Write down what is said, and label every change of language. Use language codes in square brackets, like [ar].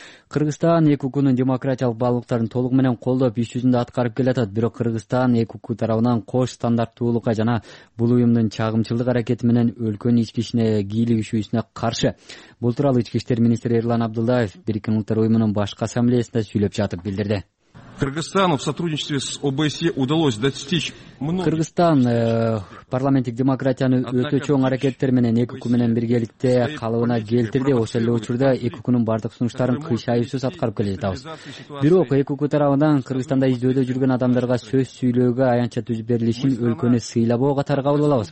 [ky] Кыргызстан ЭКК'нун демократиялык баалуулуктарын толук менен колдоп иш жүзүндө аткарып келатат. Бирок Кыргызстан ЭКК тарабынан кош стандарттуулукка жана бул уюмдун чагымчылдык аракети менен өлкөнүн ички ишине кийлигишүүсүнө каршы. Бул тууралуу Ички иштер министри Эрлан Абдылдаев Бириккен Улуттар Уюмунун башкы ассамблеясында сүйлөп жатып билдирди. [ru] Кыргызстану в сотрудничестве с ОБСЕ удалось достичь многих... [ky] Кыргызстан парламенттик демократияны өтө чоң аракеттер менен ЭКК менен биргеликте калыбына келтирди. Ошол эле учурда ЭКК'нун бардык сунуштарын кыйшайысыз аткарып келе жатабыз. Бирок ЭКК тарабынан Кыргызстанда издөөдө жүргөн адамдарга сөз сүйлөөгө аянтча түз берилишин өлкөнү сыйлабоо катары кабыл алабыз.